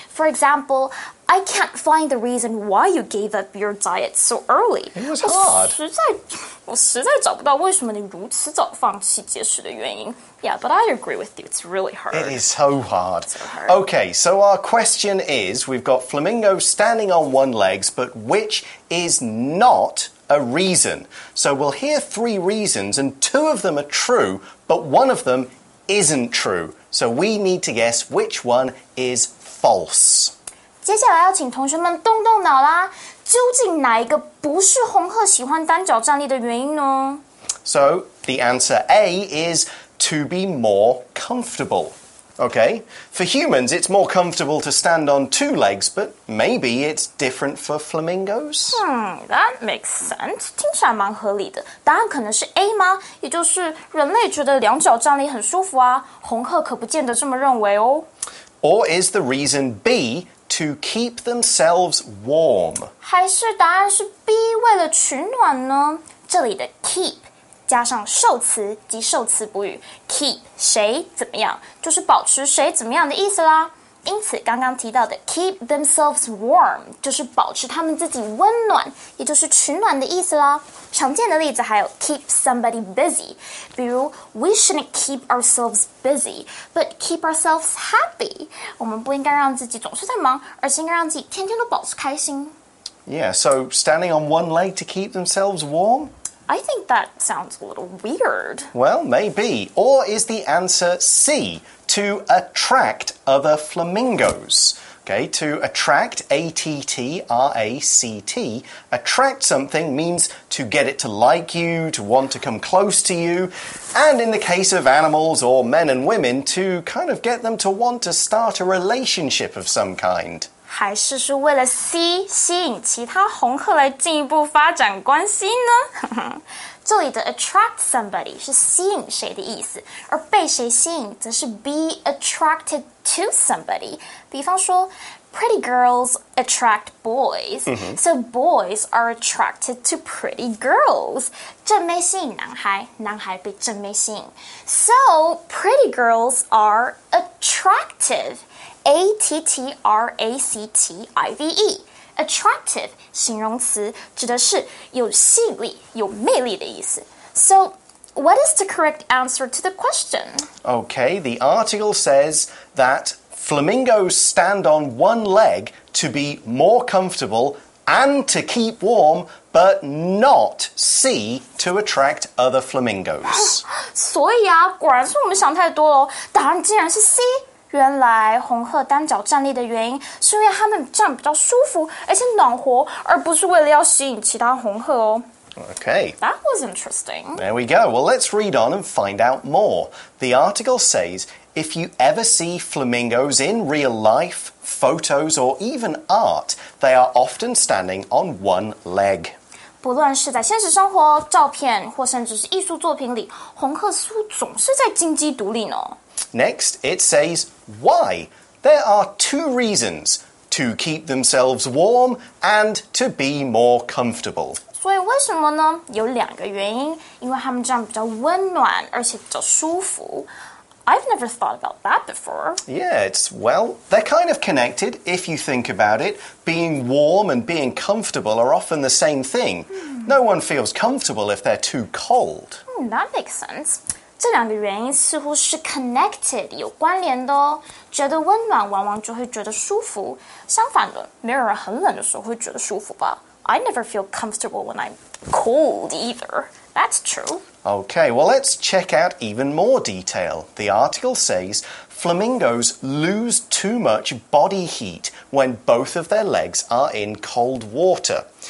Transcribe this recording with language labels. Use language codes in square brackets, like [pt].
[en] For example, I can't find the reason why you gave up your diet so early. It was hard. [zh] 我实在找不到为什么你如此早放弃节食的原因。 [en] Yeah, but I agree with you. It's really hard. It is so hard. So hard. Okay, so our question is, we've got Flamingo standing on one leg, but which is not a reason? So we'll hear three reasons, and two of them are true, but one of them isn't true. So we need to guess which one is false. [zh] 接下来要请同学们动动脑啦。究竟哪一个不是红鹤喜欢单脚站立的原因呢？ [en] So, the answer A is... to be more comfortable, okay? For humans, it's more comfortable to stand on two legs, but maybe it's different for flamingos? That makes sense. [zh] 听起来蛮合理的。答案可能是 A 吗？也就是人类觉得两脚站立很舒服啊。红鹤可不见得这么认为哦。 [en] Or is the reason B, to keep themselves warm? [zh] 还是答案是 B, 为了取暖呢？这里的 keep,加上受词及受词补语 keep 谁怎么样，就是保持谁怎么样的意思啦。因此，刚刚提到的 keep themselves warm 就是保持他们自己温暖，也就是取暖的意思啦。常见的例子还有 [en] keep somebody busy， [zh] 比如 [en] we shouldn't keep ourselves busy， but keep ourselves happy。 [zh] 我们不应该让自己总是在忙，而是应该让自己天天都保持开心。 [en] Yeah, so standing on one leg to keep themselves warm? I think that sounds a little weird. Well, maybe. Or is the answer C, to attract other flamingos? Okay, to attract, A-T-T-R-A-C-T. Attract something means to get it to like you, to want to come close to you. And in the case of animals or men and women, to kind of get them to want to start a relationship of some kind. [zh] 还是是为了 C 吸引其他红鹤来进一步发展关系呢？这里的 attract somebody 是吸引谁的意思，而被谁吸引则是 be attracted to somebody。比方说 [en] ，pretty girls attract boys,、 mm-hmm. so boys are attracted to pretty girls. [zh] 正妹吸引男孩，男孩被正妹吸引 ， [en] so pretty girls are attractive. [zh] A-T-T-R-A-C-T-I-V-E. Attractive, 形容词指的是有吸引力、有魅力的意思。So, [en] what is the correct answer to the question? Okay, the article says that flamingos stand on one leg to be more comfortable and to keep warm, but not see to attract other flamingos. [zh] 所以啊，果然是我们想太多了。答案竟然是 C。原来红鹤单脚站立的原因是因为它们站比较舒服，而且暖和，而不是为了要吸引其他红鹤哦。 [en] Okay. That was interesting. There we go. Well, let's read on and find out more. The article says, if you ever see flamingos in real life, photos, or even art, they are often standing on one leg. [zh] 不论是在现实生活、照片或甚至是艺术作品里，红鹤似乎总是在金鸡独立呢。 [en] Next, it says, why? There are two reasons, to keep themselves warm and to be more comfortable. [zh] 所以为什么呢？有两个原因，因为他们这样比较温暖，而且比较舒服。 [en] I've never thought about that before. Yeah, it's, well, they're kind of connected, if you think about it. Being warm and being comfortable are often the same thing. No one feels comfortable if they're too cold. That makes sense. [zh] 这两个原因似乎是 connected, 有关联的哦。觉得温暖往往就会觉得舒服，相反的，没有人很冷的时候会觉得舒服吧。 [en] I never feel comfortable when I'm cold either. That's true. Okay, well, let's check out even more detail. The article says flamingos lose too much body heat when both of their legs are in cold water.